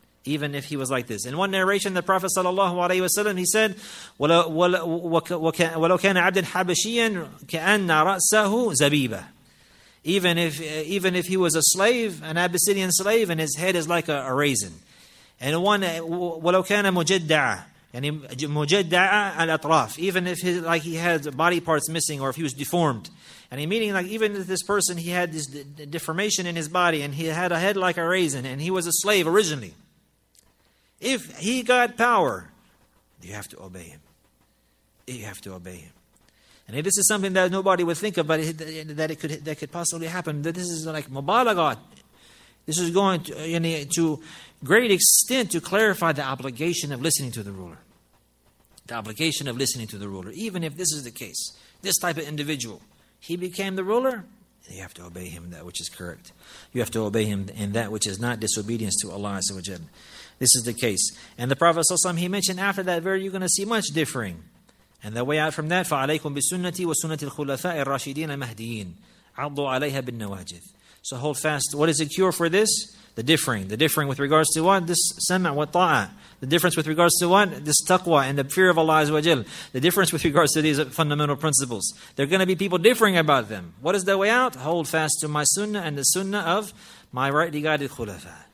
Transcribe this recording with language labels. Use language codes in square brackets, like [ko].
[en] Even if he was like this. In one narration, the Prophet sallallahu alayhi wa sallam, he said, [ar] وَلَوْ كَانَ عَبْدٍ حَبَشِيًّا كَأَنَّ رَأْسَهُ زَبِيبًا. [en] Even if he was a slave, an Abyssinian slave, and his head is like a raisin. And one, [ar] وَلَوْ كَانَ مُجَدَّعًا مُجَدَّعًا الْأَطْرَافِ. [en] Even if he had body parts missing, or if he was deformed. And meaning like even if this person, he had this deformation in his body, and he had a head like a raisin, and he was a slave originally. If he got power, you have to obey him. You have to obey him. And if this is something that nobody would think of, but that could possibly happen, that this is like mubalaghat. This is going to great extent to clarify the obligation of listening to the ruler. The obligation of listening to the ruler. Even if this is the case, this type of individual, he became the ruler, you have to obey him in that which is correct. You have to obey him in that which is not disobedience to Allah azza wa jal. This is the case. And the Prophet sallallahu alaihi wasallam, he mentioned after that verse, you're going to see much differing. And the way out from that, [ar] فَعَلَيْكُمْ بِسُنَّةِ وَسُنَّةِ الْخُلَفَاءِ الرَّاشِدِينَ الْمَهْدِيِينَ عَضُّوا عَلَيْهَا بِالنَّوَاجِذِ. [en] So hold fast. What is the cure for this? The differing. The differing with regards to what? This sam' wa ta'a. The difference with regards to what? This taqwa and the fear of Allah azza wa jal. The difference with regards to these fundamental principles. There are going to be people differing about them. What is the way out? Hold fast to my sunnah and the sunnah of my rightly guided khulafa.